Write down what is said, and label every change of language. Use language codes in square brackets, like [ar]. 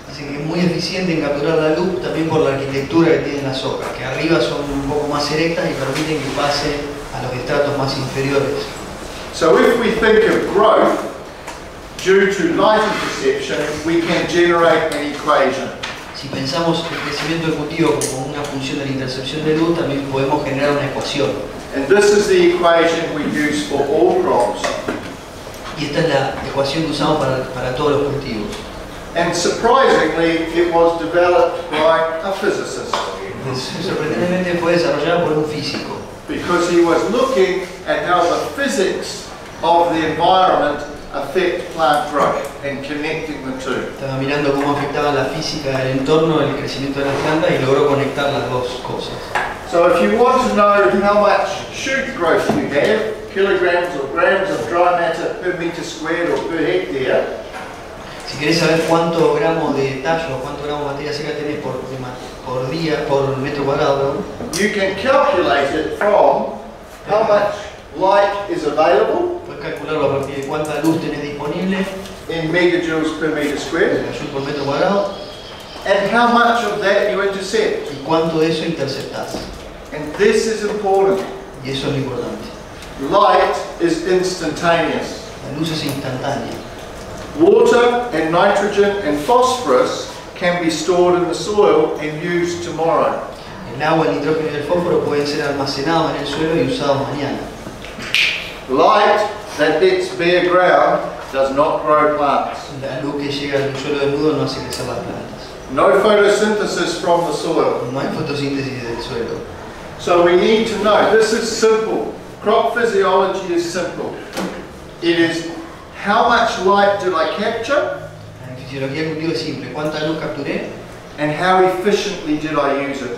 [es] Así que es muy eficiente en capturar la luz también por la arquitectura que tienen las hojas, que arriba son un poco más erectas y permiten que pase a los estratos más inferiores. [en] So if we think of growth due to light interception, we can generate an equation. [es] Si pensamos el crecimiento del cultivo como una función de la intercepción de luz, también podemos generar una ecuación. [en] And this is the equation we use for all crops. [es] Y esta es la ecuación que usamos para todos los cultivos. [en] And surprisingly, it was developed by a physicist. [es] Sorprendentemente fue desarrollada por un físico. [en] Because he was looking at how the physics of the environment affect plant growth and connecting the two. [es] Estaba mirando cómo afectaba la física del entorno el crecimiento de las plantas y logró conectar las dos cosas. [en] So if you want to know how much shoot growth you have, kilograms or grams of dry matter per meter squared or per hectare. [es] Si quieres saber cuánto gramos de tallo o cuánto gramos de materia seca tenés por día, por metro cuadrado, [en] you can calculate it from how much light is available. [es] Puedes calcularlo a partir de cuánta luz tenés disponible [en] en megajoules per meter squared, [es] por metro cuadrado, [en] and how much of that you intercept. [es] Y cuánto de eso interceptás. [en] And this is important. [es] Y eso es importante. [en] Light is instantaneous. [es] La luz es instantánea. [en] Water and nitrogen and phosphorus can be stored in the soil and used tomorrow. [es] El agua, el nitrógeno y el fósforo pueden ser almacenados en el suelo y usados mañana. [en] Light that hits bare ground does not grow plants. [es] La luz que llega al suelo desnudo no hace crecer las plantas. [en] No photosynthesis from the soil. [es] No hay fotosíntesis del suelo. [en] So we need to know, this is simple. Crop physiology is simple. It is how much light did I capture? [es] La fisiología del cultivo es simple. ¿Cuánta luz capturé? [en] And how efficiently did I use it?